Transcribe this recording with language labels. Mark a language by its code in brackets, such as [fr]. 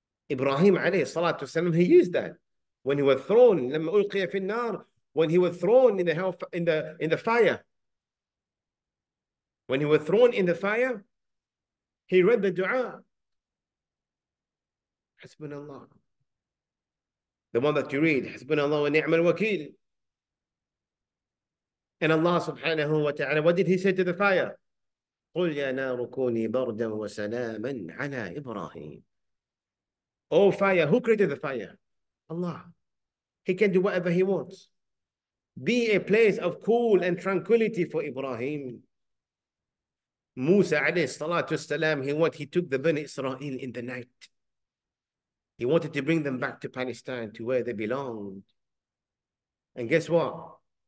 [en] Ibrahim alayhi salatu wasalam, he used that. When he was thrown, [ar] لَمَّ أُلْقِيَ فِي النَّارِ, [en] when he was thrown in the fire, when he was thrown in the fire, he read the dua. Hasbunallah. The one that you read, [ar] حسبنا الله ونعم الوكيل. [en] And Allah subhanahu wa ta'ala, what did he say to the fire? [ar] قُلْ يَا نَارُ كُونِي بَرْدًا وَسَلَامًا عَلَىٰ إِبْرَاهِيمٍ. [en] Oh fire, who created the fire? Allah. He can do whatever he wants. Be a place of cool and tranquility for Ibrahim. Musa alayhi salatu wasalam, he took the Bani Israel in the night. He wanted to bring them back to Palestine, to where they belonged. And guess what?